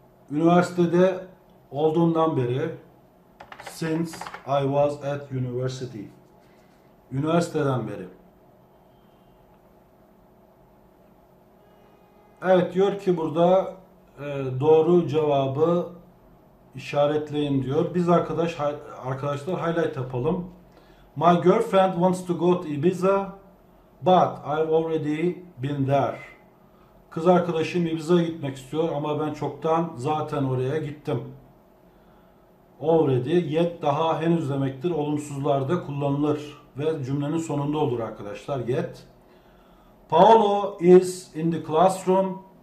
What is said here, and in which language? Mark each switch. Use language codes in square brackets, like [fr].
[tr] Üniversitede olduğumdan beri. [en] Since I was at university. [tr] Üniversiteden beri. Evet, diyor ki burada doğru cevabı işaretleyin diyor. Biz arkadaşlar highlight yapalım. [en] My girlfriend wants to go to Ibiza, but I've already been there. [tr] Kız arkadaşım Ibiza'ya gitmek istiyor ama ben çoktan zaten oraya gittim. Already, yet, daha, henüz demektir. Olumsuzlarda kullanılır ve cümlenin sonunda olur arkadaşlar. Yet. [en] Paolo is in the classroom.